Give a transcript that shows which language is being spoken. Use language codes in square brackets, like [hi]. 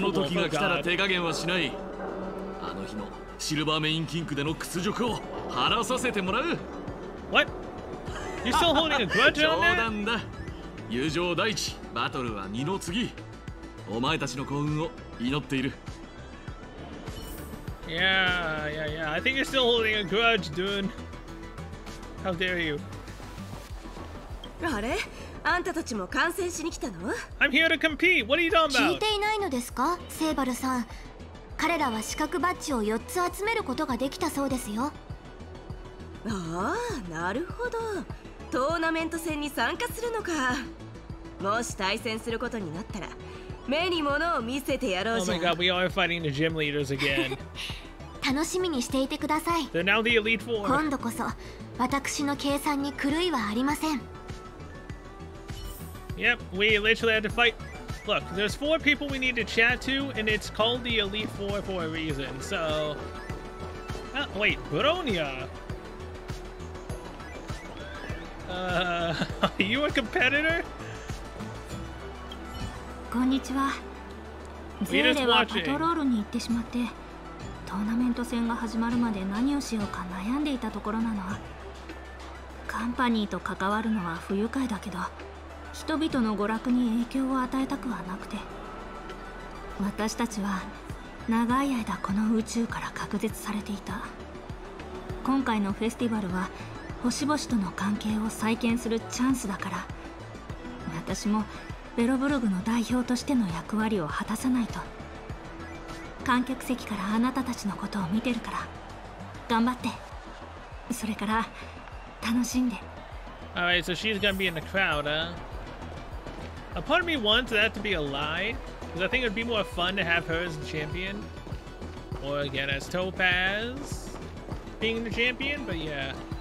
[ja] その時が来たら手加減はしない.あの日のシルバーメインキングでの屈辱を晴らさせてもらう. [en] What? You're still holding a grudge on that? [ja] 冗談だ。友情第一、バトルは二の次。お前たちの幸運を祈っている。 [en] Yeah. I think you're still holding a grudge, dude. How dare you? [ja] あれ? あんたたちも観戦しに来たの? [en] I'm here to compete! What are you talking about? [ja] 聞いていないのですか?セイバルさん。彼らは資格バッジを4つ集めることができたそうですよ。ああ、なるほど。トーナメント戦に参加するのか。もし対戦することになったら、目に物を見せてやろうじゃん。 [en] Oh my god, we are fighting the gym leaders again. [ja] 楽しみにしていてください。 [en] They're now the Elite Four. [ja] 今度こそ、私の計算に狂いはありません。 [en] Yep, we literally had to fight. Look, there's four people we need to chat to, and it's called the Elite Four for a reason, so... wait, Bronya? Are you a competitor? [ja] こんにちは。ゼーレはパトロールに行ってしまって、トーナメント戦が始まるまで何をしようか悩んでいたところなの。カンパニーと関わるのは不愉快だけど、人々の娯楽に影響を与えたくはなくて、私たちは長い間この宇宙から隔絶されていた。今回のフェスティバルは星々との関係を再建するチャンスだから、私もベロブルグの代表としての役割を果たさないと。観客席からあなたたちのことを見てるから、頑張って。それから楽しんで。 [en] Alright, so she's gonna be in the crowd, huh? A part of me wants that to be a lie, because I think it would be more fun to have her as the champion, or again as Topaz being the champion, but yeah.